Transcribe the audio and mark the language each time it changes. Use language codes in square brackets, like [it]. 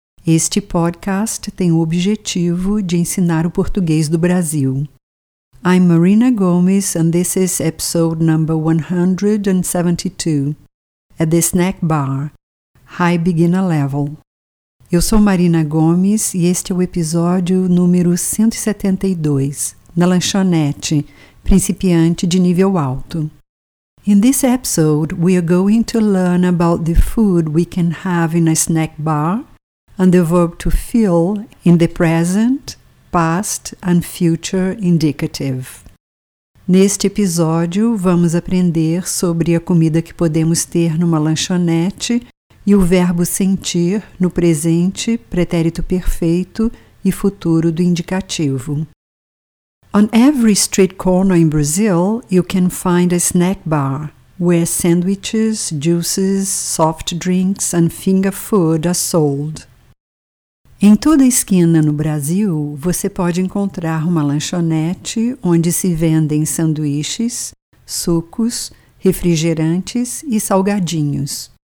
[pt] Este podcast tem o objetivo de ensinar o português do Brasil. [en] I'm Marina Gomes, and this is episode number 172, at the snack bar, high beginner level. [pt] Eu sou Marina Gomes, e este é o episódio número 172, na lanchonete, principiante de nível alto. [en] In this episode, we are going to learn about the food we can have in a snack bar and the verb to fill in the present, past and future indicative. [pt] Neste episódio, vamos aprender sobre a comida que podemos ter numa lanchonete e o verbo sentir no presente, pretérito perfeito e futuro do indicativo. [en] On every street corner in Brazil, you can find a snack bar, where sandwiches, juices, soft drinks and finger food are sold. [pt] Em toda a esquina no Brasil, você pode encontrar uma lanchonete onde se vendem sanduíches, sucos, refrigerantes e salgadinhos.